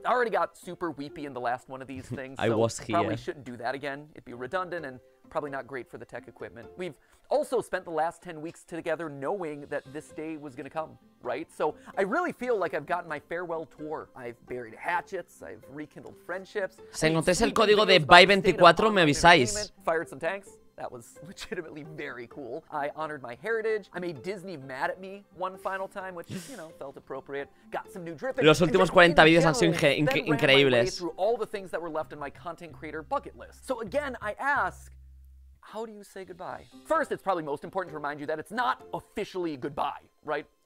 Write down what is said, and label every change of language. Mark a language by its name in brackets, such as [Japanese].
[English] I already got super weepy in the last one of these things. I was here. Probably shouldn't do that again. It'd be redundant and probably not great for the tech equipment. We've also spent the last 10 weeks together knowing that this day was gonna come, right? So I really feel like I've gotten my farewell tour. I've buried hatchets, I've rekindled friendships. [Spanish] Si encontréis el código de Bye24, me avisáis. [English] Fired some tanks. That was legitimately very cool. I honored my heritage. I made Disney mad at me one final time, which, you know, felt appropriate. Got some new dripping. [Spanish] Los últimos 40 videos han sido increíbles. [English] Through all the things that were left in my content creator bucket list. So again, I ask, how do you say goodbye? First, it's probably most important to remind you that it's not officially goodbye, right?